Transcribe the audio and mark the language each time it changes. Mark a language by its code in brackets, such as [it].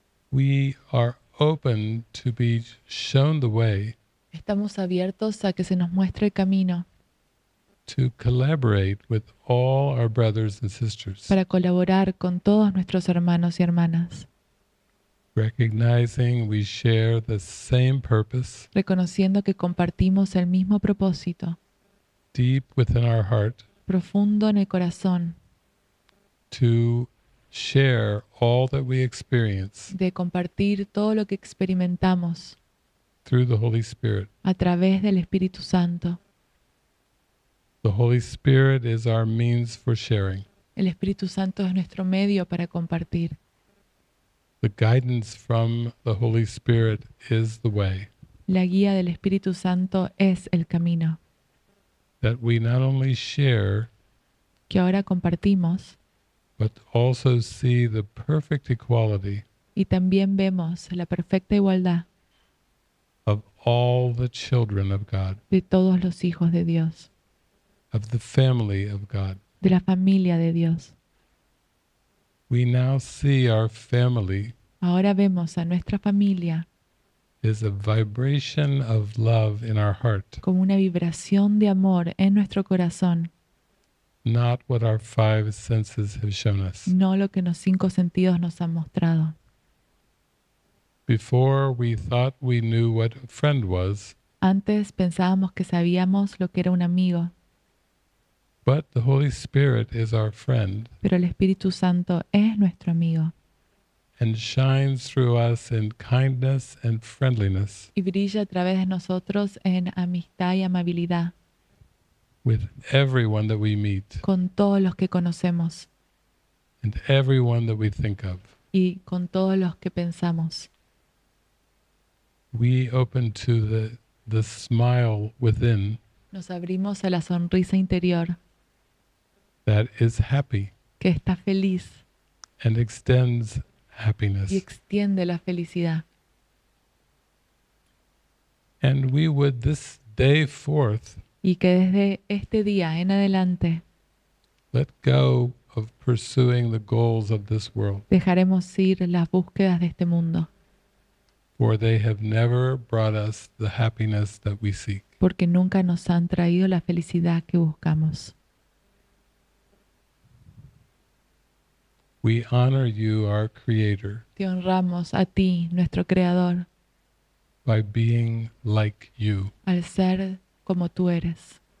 [en] We are open to be shown the way. [es] Estamos abiertos a que se nos muestre el camino. [en] To collaborate with all our brothers and sisters. [es] Para colaborar con todos nuestros hermanos y hermanas. [en] Recognizing we share the same purpose. [es] Reconociendo que compartimos el mismo propósito. [en] Deep within our heart. [es] Profundo en el corazón. [en] To share all that we experience. [es] De compartir todo lo que experimentamos. [en] Through the Holy Spirit. [es] A través del Espíritu Santo. [en] The Holy Spirit is our means for sharing. [es] El Espíritu Santo es nuestro medio para compartir. [en] The guidance from the Holy Spirit is the way. [es] La guía del Espíritu Santo es el camino. [en] That we not only share, [es] que ahora compartimos, [en] but also see the perfect equality. [es] Y también vemos la perfecta igualdad. [en] Of all the children of God. [es] De todos los hijos de Dios. [en] Of the family of God. [es] De la familia de Dios. [en] We now see our family. [es] Ahora vemos a nuestra familia. [en] Is a vibration of love in our heart. [es] Como una vibración de amor en nuestro corazón. [en] Not what our five senses have shown us. [es] No lo que los cinco sentidos nos han mostrado. [en] Before we thought we knew what a friend was. [es] Antes pensábamos que sabíamos lo que era un amigo. [en] But the Holy Spirit is our friend. [es] Pero el Espíritu Santo es nuestro amigo. [en] And shines through us in kindness and friendliness. [es] Y brilla a través de nosotros en amistad y amabilidad. [en] With everyone that we meet. [es] Con todos los que conocemos. [en] And everyone that we think of. [es] Y con todos los que pensamos. [en] We open to the smile within. [es] Nos abrimos a la sonrisa interior. [en] That is happy. [es] Que está feliz. [en] And extends happiness. [es] Y extiende la felicidad. [en] And we would this day forth. [es] Y que desde este día en adelante. [en] Let go of pursuing the goals of this world. [es] Dejaremos ir las búsquedas de este mundo. [en] For they have never brought us the happiness that we seek. [es] Porque nunca nos han traído la felicidad que buscamos. [en] We honor you, our creator. [es] Te honramos a ti, nuestro creador. [en] By being like you. [es] Al ser como tú eres.